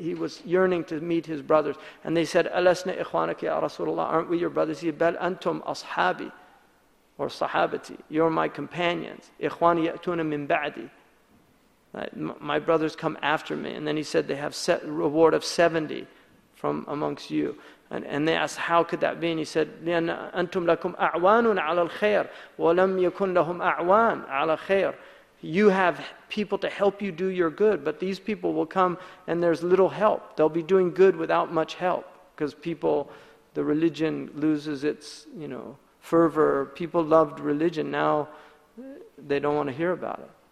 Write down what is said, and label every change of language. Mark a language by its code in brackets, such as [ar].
[en] He was yearning to meet his brothers. And they said, [ar] Alasna ikhwanaka ya Rasulullah, [en] aren't we your brothers? He said, [ar] Bal antum ashabi, or sahabati. [en] You're my companions. [ar] Ikhwani ya'tuna min ba'di. [en] My brothers come after me. And then he said, they have set reward of 70 from amongst you. And they asked, how could that be? And he said, [ar] لِأَنَّ أَنْتُمْ لَكُمْ أَعْوَانٌ عَلَى الْخَيْرِ وَلَمْ يَكُنْ لَهُمْ أَعْوَانٌ عَلَى الْخَيْرِ. [en] You have people to help you do your good, but these people will come and there's little help. They'll be doing good without much help, because people, the religion loses its, you know, fervor. People loved religion. Now they don't want to hear about it.